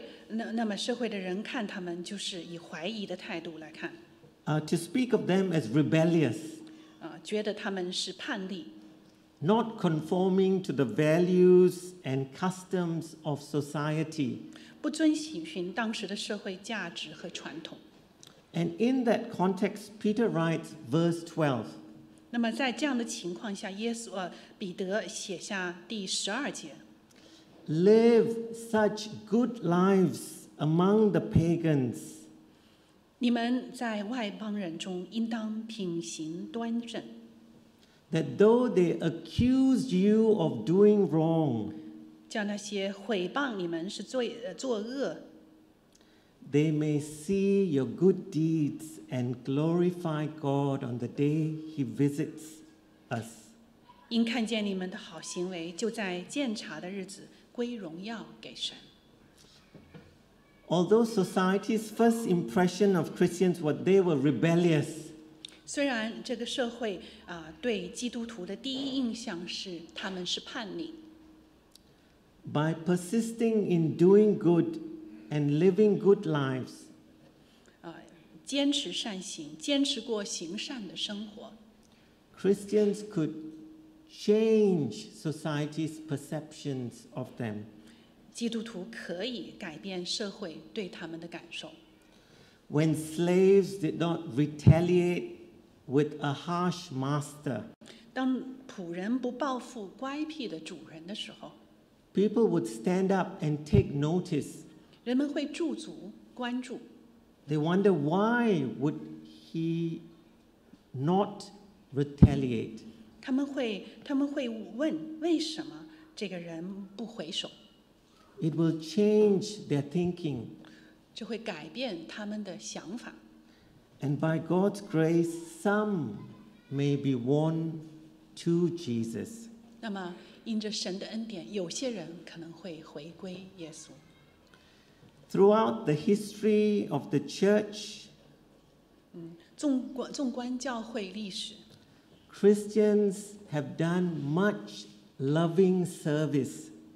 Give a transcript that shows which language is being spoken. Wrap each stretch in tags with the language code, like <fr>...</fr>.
<zh>那么社会的人看他们就是以怀疑的态度来看。</zh> <en>To speak of them as rebellious.</en> <zh>觉得他们是叛逆。</zh> <en>Not conforming to the values and customs of society.</en> <zh>不遵循当时的社会价值和传统。</zh> <en>And in that context, Peter writes verse 12.</en> <zh>那么在这样的情况下，彼得写下第十二节。</zh> <en>Live such good lives among the pagans.</en> <zh>你们在外邦人中应当品行端正。</zh> <en>That though they accuse you of doing wrong,</en> <zh>叫那些毁谤你们是作恶</zh> <en>they may see your good deeds and glorify God on the day He visits us.</en> <zh>因看见你们的好行为，就在鉴察的日子归荣耀给神。</zh> <en>Although society's first impression of Christians was they were rebellious.</en> <zh>虽然这个社会对基督徒的第一印象是他们是叛逆。</zh> <en>By persisting in doing good and living good lives,</en> <zh>坚持善行，坚持过行善的生活。</zh> <en>Christians could change society's perceptions of them.</en> <zh>基督徒可以改变社会对他们的感受。</zh> <en>When slaves did not retaliate. With a harsh master,</en> <zh>当仆人不报复乖僻的主人的时候</zh> <en>，people would stand up and take notice.</en> <zh>人们会驻足关注。</zh> <en>They wonder why would he not retaliate?</en> <zh>他们会问为什么这个人不回首</zh> <en>It will change their thinking.</en> <zh>就会改变他们的想法。</zh> <en>And by God's grace, some may be won to Jesus.</en> <zh>那么，因着神的恩典，有些人可能会回归耶稣。</zh> <en>Throughout the history of the church,</en> <zh>纵观教会历史</zh> <en>，Christians have done much loving service.</en>